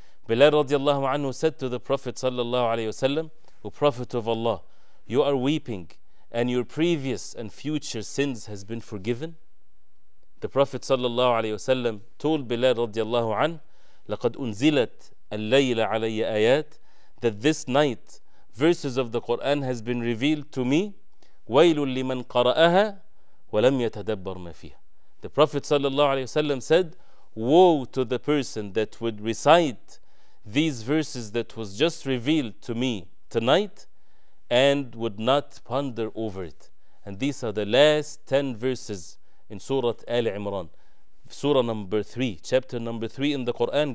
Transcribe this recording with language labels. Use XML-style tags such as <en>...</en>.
<en>Bilal radiallahu anhu said to the Prophet sallallahu alayhi wasallam, O Prophet of Allah, you are weeping and your previous and future sins has been forgiven? The Prophet sallallahu alayhi wasallam told Bilal radiallahu anhu,</en> <ar>لقد أنزلت الليل علي آيات,</ar> <en>that this night verses of the Quran has been revealed to me.</en> <ar>ويل لمن قرأها ولم يتدبر ما فيها.</ar> <en>The Prophet sallallahu alayhi wasallam said, woe to the person that would recite these verses that was just revealed to me tonight and would not ponder over it. And these are the last 10 verses in Surah Al Imran, Surah number 3, chapter number 3 in the Quran.</en>